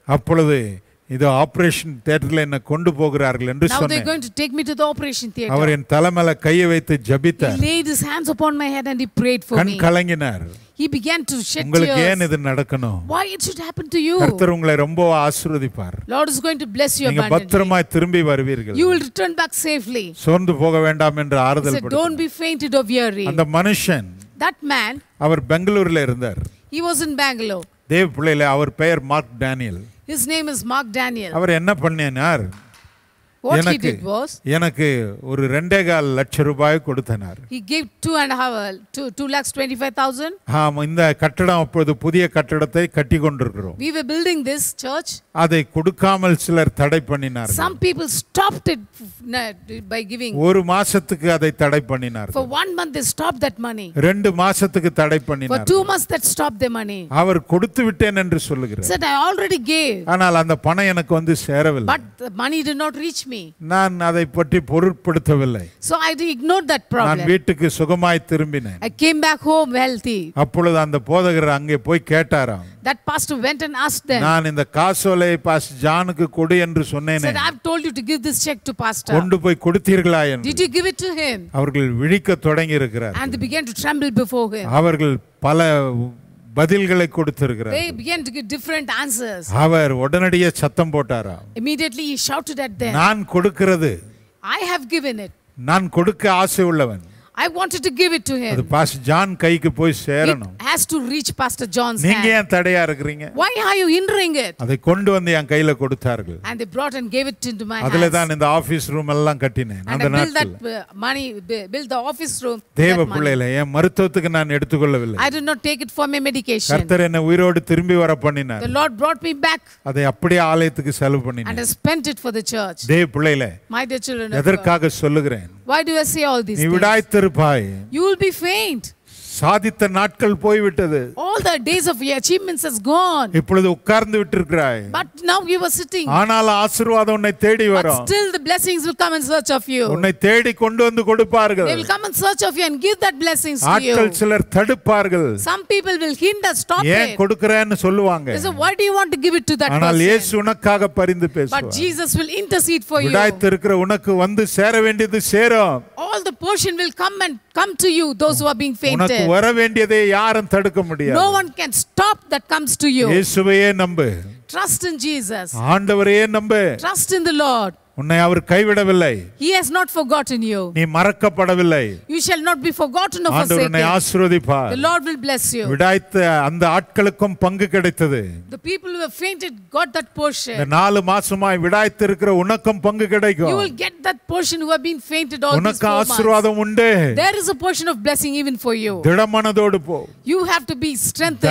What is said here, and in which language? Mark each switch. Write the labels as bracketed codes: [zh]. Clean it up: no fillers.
[ta] அப்பொழுது இது ஆபரேஷன் தியேட்டர்ல என்ன கொண்டு போகிறார்கள் என்று சொன்னார். [en] Now they're going to take me to the operation theater. [ta] அவர் என் தலையில கையை வைத்து ஜெபித்தார். [en] He laid his hands upon my head and he prayed for me. [ta] கண் கலங்கினார். [en] He began to shed tears. [ta] உங்களுக்கு ஏன் இது நடக்கணும்? [en] Why it should happen to you? [ta] கர்த்தர் உங்களை ரொம்ப ஆசீர்வதிப்பார். [en] Lord is going to bless you [ta] நீங்க பத்திரமாய் திரும்பி வருவீர்கள். [en] You will return back safely. [ta] சோர்ந்து போக வேண்டாம் என்று ஆறுதல் படு. [en] Don't be fainted or weary. [ta] அந்த மனுஷன் [en] That man [ta] அவர் பெங்களூர்ல இருந்தார். [en] He was in Bangalore. [ta] தேவ பிள்ளையிலே அவர் பெயர் mark Daniel. [en] His name is Mark Daniel. [ta] அவர் என்ன பண்ணினார்? [en] What [ta] எனக்கு, [en] he did was [ta] எனக்கு ஒரு 2.5 லட்சம் ரூபாய் கொடுத்தார். [en] He gave 2.5 lakhs 25,000. [ta] ஆம் இந்த கட்டடம் இப்பொழுது புதிய கட்டடத்தை கட்டி கொண்டிருக்கிறோம். [en] We were building this church. [ta] அதை கொடுக்காமல் சிலர் தடை பண்ணினார்கள். [en] Some people stopped it by giving. [ta] ஒரு மாசத்துக்கு அதை தடை பண்ணினார்கள். [en] For 1 month they stopped that money. [ta] 2 மாசத்துக்கு தடை பண்ணினார்கள். [en] For 2 months that stopped their money. [ta] அவர் கொடுத்து விட்டேன் என்று சொல்கிறார். [en] Said I already gave. [ta] ஆனால் அந்த பணம் எனக்கு வந்து சேரவில்லை. [en] But the money did not reach me. [ta] நான் அதை பற்றி பொருட்படுத்தவில்லை. [en] So I ignored that problem. [ta] நான் வீட்டுக்கு சுகமாய் திரும்பினேன். [en] I came back home healthy. [ta] அப்பொழுது அந்த போதகர் அங்கே போய் கேட்டாராம். [en] That pastor went and asked them. [ta] நான் இந்த காசோலை பாஸ்டர் ஜானுக்கு கொடு என்று சொன்னேனே. [en] Said I've told you to give this check to pastor. [ta] கொண்டு போய் கொடுத்தீர்களா என்று. [en] Did you give it to him? [ta] அவர்கள் விழிக்க தொடங்கி இருக்கிறார். [en] And they began to tremble before him. [ta] அவர்கள் பல பதில்களை கொடுத்திருக்கிறார். [en] They began to give different answers. [ta] அவர் உடனடியே சத்தம் போட்டாரா. [en] Immediately he shouted at them. [ta] நான் கொடுக்கிறது. [en] I have given it. [ta] நான் கொடுக்க ஆசை உள்ளவன். [en] I wanted to give it to him. [ta] அது பாஸ்டர் ஜான் கைக்கு போய் சேரணும். [en] It has to reach Pastor John's hand. [ta] நீங்க ஏன் தடையா இருக்கீங்க? [en] Why are you hindering it? [ta] அதை கொண்டு வந்து என் கையில கொடுத்தார்கள். [en] And they brought and gave it into my hands. [ta] அதிலே தான் இந்த ஆபீஸ் ரூம் எல்லாம் கட்டினேன். [en] And I built that money, built the office room. [ta] தேவ பிள்ளையிலே என் மருத்துவத்துக்கு நான் எடுத்துக்கொள்ளவில்லை. [en] I did not take it for my medication. [ta] கர்த்தர் என்னை உயிரோடு திரும்பி வர பண்ணினார். [en] The Lord brought me back. [ta] அதை அப்படியே ஆலயத்துக்கு செலவு பண்ணினேன். [en] And I spent it for the church. [ta] தேவ பிள்ளையிலே [en] My dear children. [ta] எதற்காக சொல்கிறேன்? [en] Why do I say all these? [ta] நீ விடாய்த்திருப்பாய். [en] You will be faint. [ta] சாதித்த நாட்கள் போய் விட்டது. [en] All the days of your achievements has gone. [ta] இப்பொழுது உட்கார்ந்து விட்டிருக்காய். [en] But now you are sitting. [ta] ஆனால் ஆசீர்வாதம் உன்னை தேடி வரும். [en] But still the blessings will come in search of you. [ta] உன்னை தேடி கொண்டு வந்து கொடுப்பார்கள். [en] They will come in search of you and give that blessings to you. [ta] ஆட்கள் சிலர் தடுப்பார்கள். [en] Some people will hinder, stop it. [ta] ஏன் கொடுக்கறேன்னு சொல்லுவாங்க. [en] So why do you want to give it to that [ta] ஆனால் இயேசு உனக்காக பரிந்து பேசுவார். [en] But Jesus will intercede for you. [ta] விடாய்த்திருக்கிற உனக்கு வந்து சேர வேண்டியது சேரும். [en] All the portion will come and come to you those who are being fainted. [ta] வர வேண்டியதை யாரும் தடுக்க முடியாது. [en] No one can stop that comes to you. [ta] இயேசுவையே நம்பு. [en] Trust in Jesus. [ta] ஆண்டவரையே நம்பு. [en] Trust in the Lord. [ta] உன்னை அவர் கைவிடவில்லை. [en] He has not forgotten you. [ta] நீ மறக்கப்படவில்லை. [en] You shall not be forgotten or forsaken. [ta] உன்னை ஆசீர்வதிப்பார். [en] The Lord will bless you. [ta] விடாய்த்த அந்த ஆட்களுக்கும் பங்கு கிடைத்தது. [en] The people who have fainted got that portion. [ta] இந்த 4 மாசமாய் விடாய்த்து இருக்கிற உனக்கும் பங்கு கிடைக்கும். [en] You will get that portion who have been fainted all these months. [ta] உனக்கு ஆசீர்வாதம் உண்டு. [en] There is a portion of blessing even for you. [ta] திடமனதோடு போ. [en] You have to be strengthened.